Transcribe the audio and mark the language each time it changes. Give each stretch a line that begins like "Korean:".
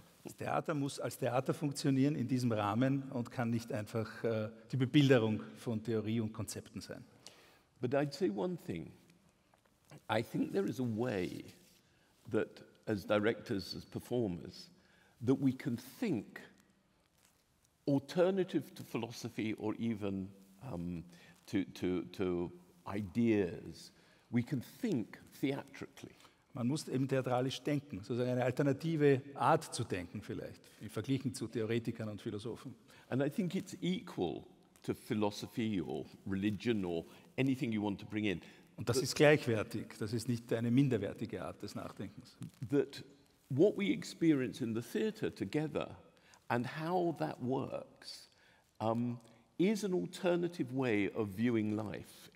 German: Das Theater muss als Theater funktionieren in diesem Rahmen und kann nicht einfach die Bebilderung von Theorie und Konzepten sein.
English: But I'd say one thing. I think there is a way that as directors, as performers, that we can think alternative to philosophy or even to ideas. We can think theatrically.
German: Man muss eben theatralisch denken, sozusagen eine alternative Art zu denken vielleicht, im Vergleich zu Theoretikern und Philosophen.
English: And I think it's equal to philosophy or religion or anything you want to bring in.
German: Und das ist gleichwertig, das ist nicht eine minderwertige Art des Nachdenkens.
English: That what we experience in the theater together and how that works is an alternative way of viewing life.